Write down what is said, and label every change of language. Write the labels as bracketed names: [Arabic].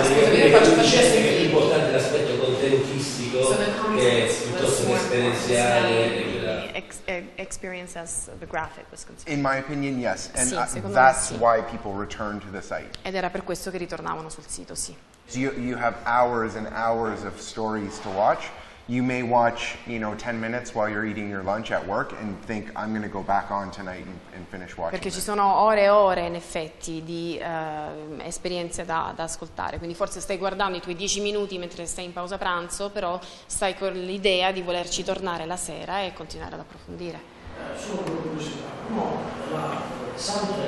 [Italian] è più importante l'aspetto contenutistico che piuttosto che esperienziale. [English] Experience as the graphic was concerned. In my opinion, yes, and [Italian] sì, [English] that's [Italian] sì. [English] Why people return to the site. [Italian] Ed era per questo che ritornavano sul sito, sì. [English] So you have hours and hours of stories to watch. You may watch, you know, 10 minutes while you're eating your lunch at work and think I'm going to go back on tonight and finish watching. [Italian] Perché [English] it. [Italian] Ci sono ore e ore in effetti di esperienze da ascoltare, quindi forse stai guardando i tuoi 10 minuti mentre stai in pausa pranzo, però stai con l'idea di volerci tornare la sera e continuare ad approfondire. Solo per curiosità, come la Sandra